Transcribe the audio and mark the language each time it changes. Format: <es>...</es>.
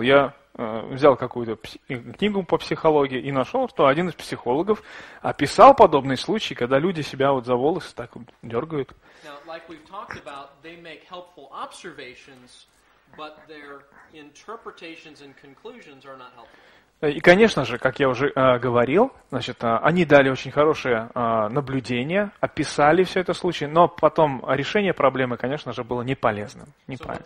<ru>Я взял какую-то книгу по психологии и нашел, что один из психологов описал подобный случай, когда люди себя вот за волосы так вот дергают.</ru> <en>Now, like we've talked about, they make helpful observations, but their interpretations and conclusions are not helpful.</en> <ru>И, конечно же, как я уже говорил, они дали очень хорошее наблюдение, описали все это случай, но потом решение проблемы, конечно же, было неполезным, неправильным.</ru>